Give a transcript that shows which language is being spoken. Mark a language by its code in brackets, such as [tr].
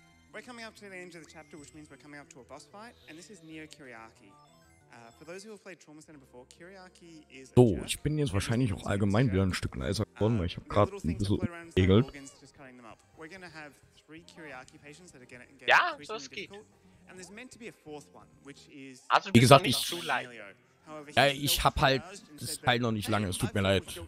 [en] We're coming up to the end of the chapter, which means we're coming up to a boss fight, and this is Neo Kiriaki. For those who have played Trauma Center before, Kiriaki is. [de] So, ich bin jetzt wahrscheinlich auch allgemein wieder ein Stück leiser geworden, weil ich habe gerade ein bisschen geregelt. [en] We're gonna have three Kiriaki patients that are gonna get increasingly [de] difficult. Wie gesagt, ich. Ja, ich hab halt das Teil noch nicht lange, es tut mir leid.